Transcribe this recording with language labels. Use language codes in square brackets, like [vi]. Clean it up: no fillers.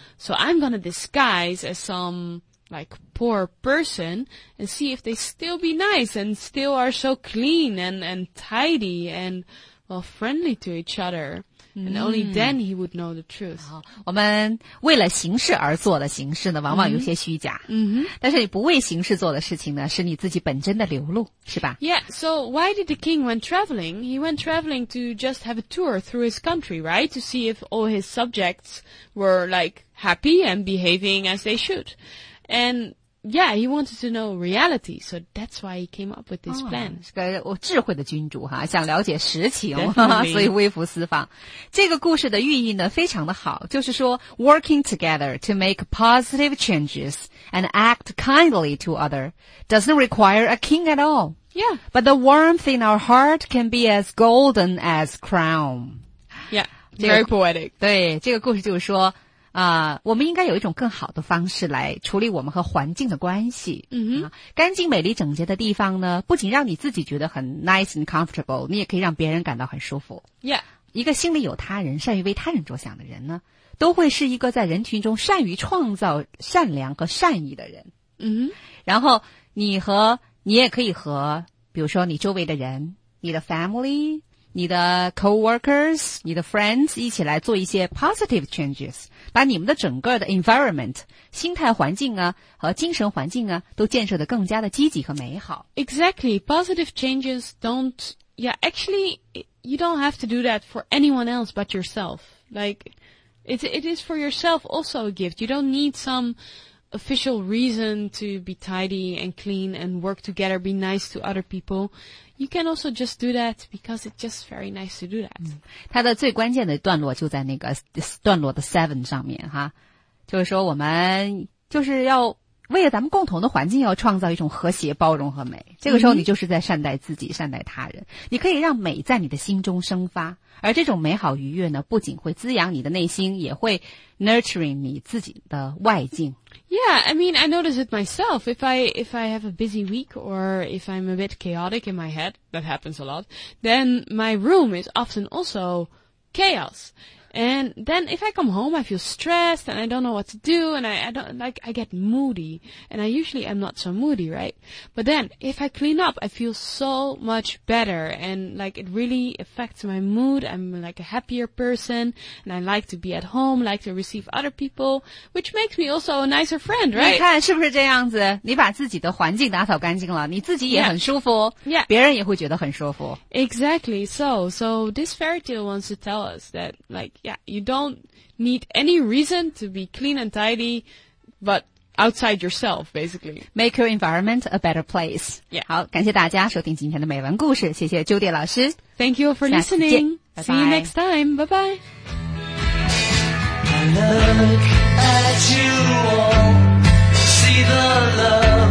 [en] So I'm gonna disguise as some, like, poor person and see if they still be nice and still are so clean and tidy and, well, friendly to each other. And only then he would know the truth. [zh] 好我们为了形式而做的形式呢往往有些虚假。 Mm-hmm. Mm-hmm. 但是你不为形式做的事情呢是你自己本真的流露是吧 [en] Yeah, so why did the king went traveling? He went traveling to just have a tour through his country, right? To see if all his subjects were like happy and behaving as they should. And... Yeah, he wanted to know reality, so that's why he came up with this plan. [zh] 是个智慧的君主哈，想了解实情、 [en] Definitely. [zh] 所以微服私访。这个故事的寓意呢非常的好，就是说 [en] working together to make positive changes and act kindly to other doesn't require a king at all. Yeah. But the warmth in our heart can be as golden as crown. Yeah, very poetic. [zh] 对，这个故事就是说我们应该有一种更好的方式来处理我们和环境的关系。 Mm-hmm. 干净美丽整洁的地方呢不仅让你自己觉得很 [en] nice and comfortable, [zh] 你也可以让别人感到很舒服。 [en] Yeah. [zh] 一个心里有他人善于为他人着想的人呢都会是一个在人群中善于创造善良和善意的人。然后你和你也可以和比如说你周围的人你的 family 你的 co-workers 你的 friends 一起来做一些 [en] positive changes [zh] 把你们的整个的 environment 心态环境啊和精神环境啊都建设得更加的积极和美好 [en] Exactly, positive changes don't Yeah, actually you don't have to do that for anyone else but yourself Like it is for yourself also a gift You don't need someofficial reason to be tidy and clean and work together, be nice to other people. You can also just do that because it's just very nice to do that. [zh] 它的最关键的段落就在那个段落的 7 上面哈，就是说我们就是要为了咱们共同的环境要创造一种和谐包容和美。这个时候你就是在善待自己善待他人。你可以让美在你的心中生发。而这种美好愉悦呢不仅会滋养你的内心也会 nurturing 你自己的外境。 [en] Yeah, I mean, I notice it myself. If I have a busy week or if I'm a bit chaotic in my head, that happens a lot, then my room is often also chaos. And then if I come home, I feel stressed and I don't know what to do and I get moody. And I usually am not so moody, right? But then if I clean up, I feel so much better. And like it really affects my mood. I'm like a happier person and I like to be at home, like to receive other people, which makes me also a nicer friend, right? [zh] 你看是不是这样子你把自己的环境打扫干净了你自己也很舒服 [en] yeah. [zh] 别人也会觉得很舒服 [en] Exactly. So this fairy tale wants to tell us that likeYeah, you don't need any reason to be clean and tidy, but outside yourself, basically. Make your environment a better place. Yeah. [zh] 好，感谢大家收听今天的美文故事，谢谢 Judy 老师。 [en] Thank you for listening. Bye-bye. See you next time. Bye-bye. I look at you all, see the love.